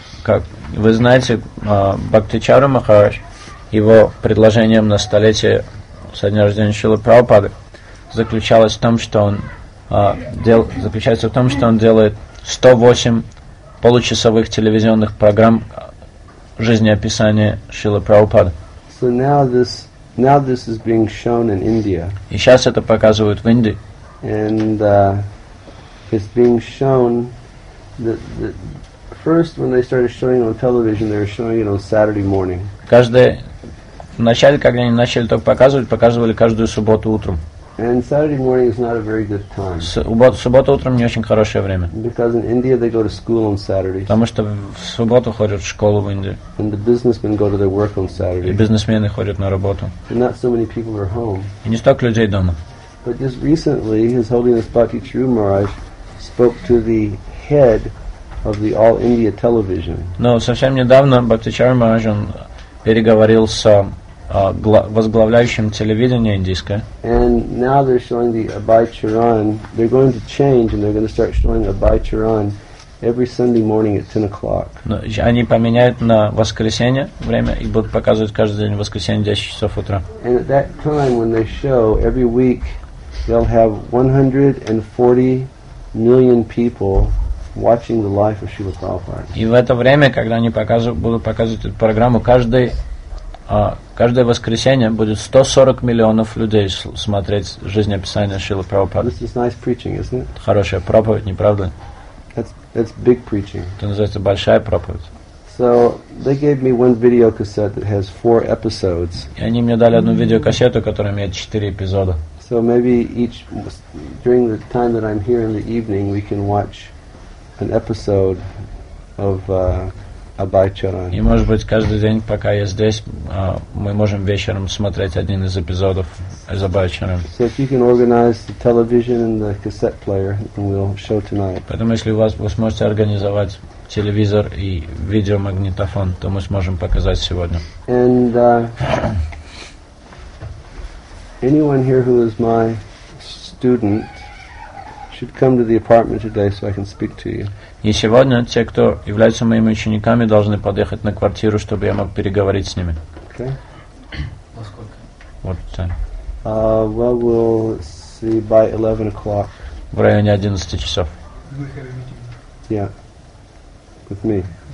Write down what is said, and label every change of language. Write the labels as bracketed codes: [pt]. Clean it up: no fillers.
[ru] Как вы знаете, Бхактичару Махарадж, его предложением на столетие со дня рождения Шрилы Прабхупады заключалось в том, что он заключается в том, что он делает 108 получасовых телевизионных программ жизнеописания Шрилы Прабхупады. [en] So now this is being shown in India. [ru] И сейчас это показывают в Индии. [en] And it's being shown first when they started showing it on television, they were showing it on Saturday morning. [ru] Каждый вначале, когда они начали только показывали каждую субботу утром. [en] And Saturday morning is not a very good time. [ru] Суббота утром не очень хорошее время. [en] Because in India they go to school on Saturdays. [ru] Потому что в субботу ходят в школу в Индии. [en] And the businessmen go to their work on Saturday. [ru] И бизнесмены ходят на работу. [en] And not so many people are home. [ru] И не столько людей дома. [en] But just recently, His Holiness Bhakti Chiru Maharaj spoke to the head of the All India Television. [ru] Но совсем недавно Бхакти Чару Мараджа переговорил с возглавляющим телевидение индийское. [en] And now they're showing the Abhay Charan. They're going to change, and they're going to start showing Abhay Charan every Sunday morning at 10 o'clock. [ru] Они поменяют на воскресенье время и будут показывать каждый день воскресенье 10 часов утра. [en] And at that time, when they show every week, they'll have 140 million people watching the life of Srila Prabhupada. [ru] И в это время, когда они будут показывать эту программу, каждое воскресенье будет 140 миллионов людей смотреть жизнеописание Шрилы Прабхупады. [en] This is nice preaching, isn't it? [ru] Хорошая проповедь, не правда ли? [en] That's big preaching. [ru] Это называется большая проповедь. [en] So they gave me one video cassette that has 4 episodes. [ru] И они мне дали одну видеокассету, которая имеет 4 эпизода. [en] So maybe each during the time that I'm here in the evening, we can watch an episode of Abhay Charan. [ru] И может быть каждый день, пока я здесь, мы можем вечером смотреть один из эпизодов из Абхай Чаран. [en] So if you can organize the television and the cassette player, then we'll show tonight. [ru] Поэтому если у вас вы сможете организовать телевизор и видеомагнитофон, то мы сможем показать сегодня. [en] And anyone here who is my student should come to the apartment today so I can speak to you. [ru] И сегодня те, кто являются моими учениками, должны подъехать на квартиру, чтобы я мог переговорить с ними. [en] Okay. [ru] Во сколько? [en] What time? Well, we'll see by 11 o'clock. [ru] В районе 11 часов. [en] We have a meeting. Yeah. With me.